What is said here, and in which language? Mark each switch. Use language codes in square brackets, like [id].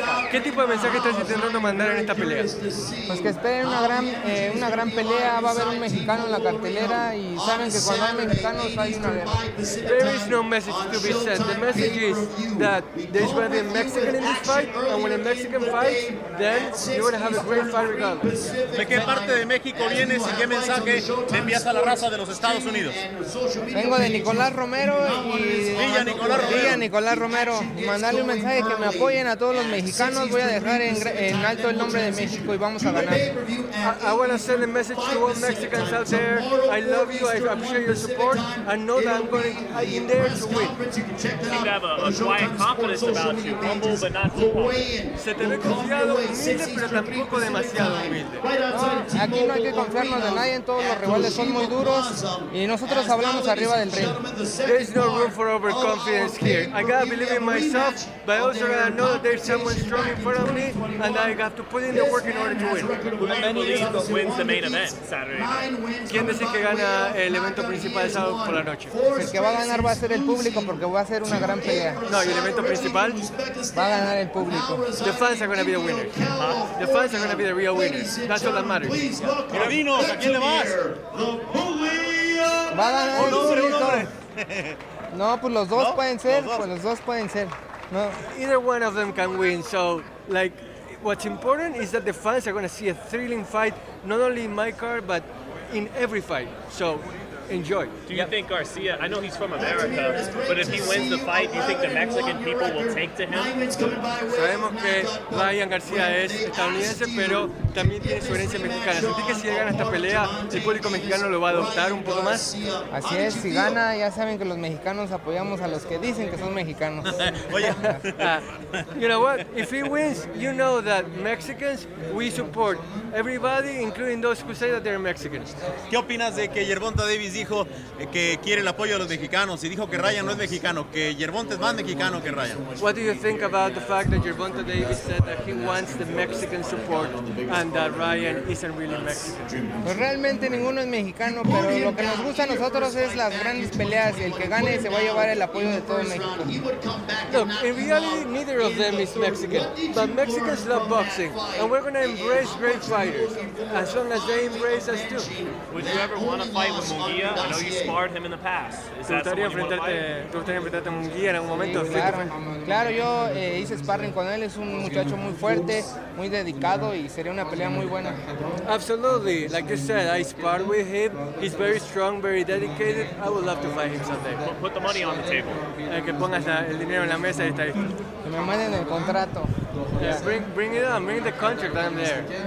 [es] ¿Qué tipo de mensaje estás intentando mandar en esta pelea? Pues que esperen una gran pelea, va a haber un mexicano en la cartelera y saben que cuando hay mexicanos hay una guerra. [en] There is no message to be sent. The message is that there's going to be a Mexican in this fight, and when a Mexican fights, then you're going to have a great fight regardless. [es] ¿De qué parte de México vienes y qué mensaje le envías a la raza de los Estados Unidos? Vengo de Nicolás Romero y... Villa Nicolás Romero. Y mandarle un mensaje que me apoyen a todos los mexicanos, voy a dejar en alto el nombre de México y vamos a ganar. [en] I want to send a message to all Mexicans out there. I love you, I appreciate your support, and know that I'm going in there to win. You seem to have a quiet confidence about you, humble but not too humble. [es] Se te ve confiado, humilde, pero tampoco demasiado humilde. Aquí no hay que confiarnos de nadie, todos los rivales son muy duros y nosotros hablamos arriba del ring. [en] There's no room for overconfidence here. I gotta believe in myself, but also gotta know that there's someone strong in front of me and I got to put in the work in order to win. Wins the main event Saturday. [es] ¿Quién dice que gana el evento principal el sábado por la noche? El que va a ganar va a ser el público porque va a ser una gran pelea. No, y el evento principal va a ganar el público. [en] The fans are going to be the winners. The fans are going to be the real winners. That's all that matters. [es] Mira, vino, ¿a quién le vas? Va a ganar el hombre, público. Hombre. No, pues los dos pueden ser. Pues los dos pueden ser. No. [en] Either one of them can win. So, like, what's important is that the fans are going to see a thrilling fight, not only in my card, but in every fight. So, enjoy. Do you think Garcia, I know he's from America, but if he wins the fight, do you think the Mexican people will take to him? [es] Sabemos que Ryan Garcia es estadounidense, pero también tiene su herencia mexicana. ¿Sentí que si él gana esta pelea, el público mexicano lo va a adoptar un poco más? Así es, si gana, ya saben que los mexicanos apoyamos a los que dicen que son mexicanos. Oye, [en] you know what? If he wins, you know that Mexicans, we support everybody, including those who say that they're Mexicans. [es] ¿Qué opinas de que Yerbonta Davis dijo que quiere el apoyo de los mexicanos y dijo que Ryan no es mexicano, que Yerbonta es más mexicano que Ryan? [en] What do you think about the fact that Yerbonta Davis said that he wants the Mexican support and that Ryan isn't really Mexican? [es] Pues realmente ninguno es mexicano, pero lo que nos gusta a nosotros es las grandes peleas y el que gane se va a llevar el apoyo de todo México. [en] Look, in reality, neither of them is Mexican, but Mexicans love boxing and we're going to embrace great fighters as long as they embrace us too. Would you ever want to fight with Mugi? I know you sparred him in the past. Is that someone you want to fight? [es] ¿Te gustaría enfrentarte a Munguía en algún momento? Sí, claro, yo hice sparring con él. Es un muchacho muy fuerte, muy dedicado, y sería una pelea muy buena. [en] Absolutely. Like you said, I sparred with him. He's very strong, very dedicated. I would love to fight him someday. Put the money on the table. [es] Que pongas el dinero en la mesa y está listo. Que me manden el contrato. [en] Yeah. Bring it on. Bring the contract. I'm there.